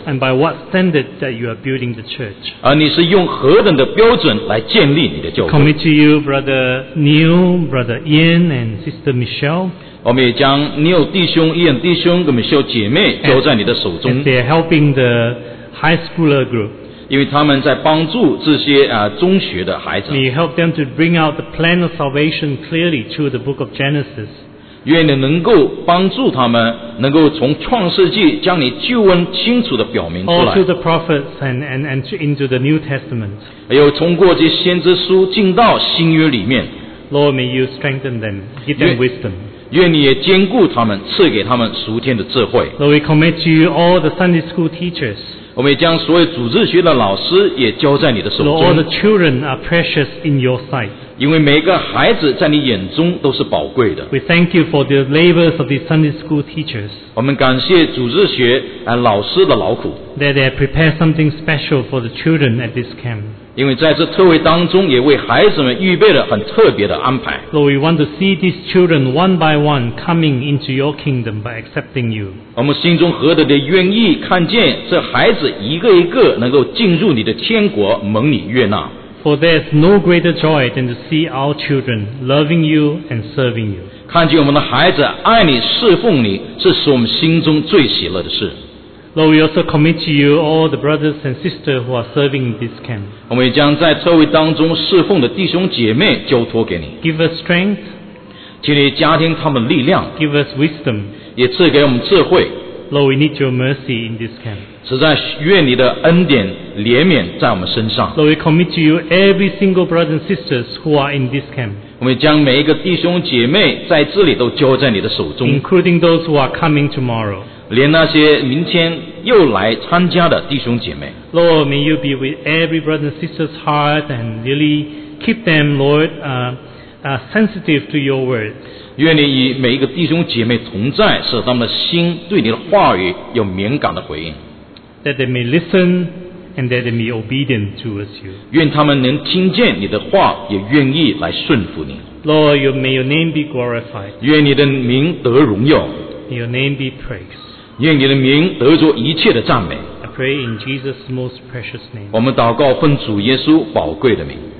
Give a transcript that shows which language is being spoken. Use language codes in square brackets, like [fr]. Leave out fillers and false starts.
[en] And by what standard that you are building the church. [zh] 而你是用何等的标准来建立你的教会。 [en] Commit to you, Brother Neil, Brother Ian, and Sister Michelle. [zh] 我们也将 Neil 弟兄、Ian 弟兄跟 Michelle 姐妹交在你的手中。 [en] They are helping the high schooler group. [zh] 因为他们在帮助这些中学的孩子。 [en] May you help them to bring out the plan of salvation clearly through the book of Genesis. [zh] 愿你能够帮助他们，能够从创世纪将你救恩清楚地表明出来。 [en] All through the prophets and into the New Testament. [zh] 还有通过这先知书进到新约里面。 [en] Lord, may you strengthen them, give them wisdom. [zh] 愿你也坚固他们，赐给他们属天的智慧。 [en] Lord, we commit to you all the Sunday school teachers. [zh] 我们也将所有主日学的老师也交在你的手中。 [en] Lord, all the children are precious in your sight. [zh] 因为每一个孩子在你眼中都是宝贵的。 [en] We thank you for the labors of the Sunday school teachers. [zh] 我们感谢主日学老师的劳苦。 [en] That they have prepared something special for the children at this camp. [zh] 因为在这特会当中也为孩子们预备了很特别的安排。 [en] Lord, we want to see these children one by one coming into your kingdom by accepting you. [zh] 我们心中何等的愿意看见这孩子一个一个能够进入你的天国，蒙你悦纳。 [en] For there is no greater joy than to see our children loving you and serving you. [zh] 看见我们的孩子爱你侍奉你，这是我们心中最喜乐的事。 [en] Lord, we also commit to you all the brothers and sisters who are serving in this camp. [zh] 我们也将在这位当中侍奉的弟兄姐妹交托给你。 [en] Give us strength. [zh] 请你加添他们力量。 [en] Give us wisdom. [zh] 也赐给我们智慧。 [en] Lord, we need your mercy in this camp. [zh] 实在愿你的恩典怜悯在我们身上。 [en] Lord, we commit to you every single brother and sisters who are in this camp. [zh] 我们将每一个弟兄姐妹在这里都交在你的手中。 [en] Including those who are coming tomorrow. [zh] 连那些明天又来参加的弟兄姐妹 [en] Lord, may you be with every brother and sister's heart and really keep them, Lord, sensitive to your word. [zh] 愿你与每一个弟兄姐妹同在，使他们的心对你的话语有敏感的回应。 [en] That they may listen and that they may be obedient towards you. [zh] 愿他们能听见你的话，也愿意来顺服你。 [en] Lord, may your name be glorified. [zh] 愿你的名得荣耀。 [en] May your name be praised. [zh] 愿你的名得着一切的赞美。 [en] I pray in Jesus' most precious name. [zh] 我们祷告奉主耶稣宝贵的名。